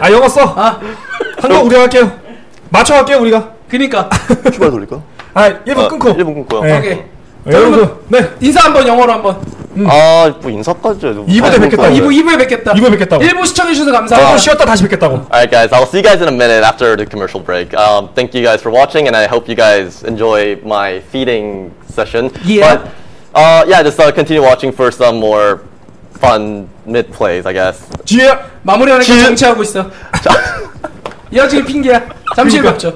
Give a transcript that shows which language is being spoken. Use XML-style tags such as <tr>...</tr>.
<ko>아, 영어 써. 아. 한번 우리 할게요. 맞춰 갈게요 우리가. 그니까 휴발 돌릴까? 아 1분 끊고 1분 끊고요. 네. 오케이 여러분 네 인사 한번 영어로 한번. 아 뭐 인사까지 2부에 뵙겠다. 2부에 뵙겠다. 2부에 뵙겠다고. 1부 시청해주셔서 감사합니다. 1부 쉬었다 다시 뵙겠다고.</ko> <en>Alright guys, I'll see you guys in a minute after the commercial break. Thank you guys for watching and I hope you guys enjoy my feeding session. Yeah. But yeah, just continue watching for some more fun mid plays, I guess.</en> <ko>지혜 마무리하는 거 정치하고 있어. 이거 지금 핑계야. 잠시만요.</ko>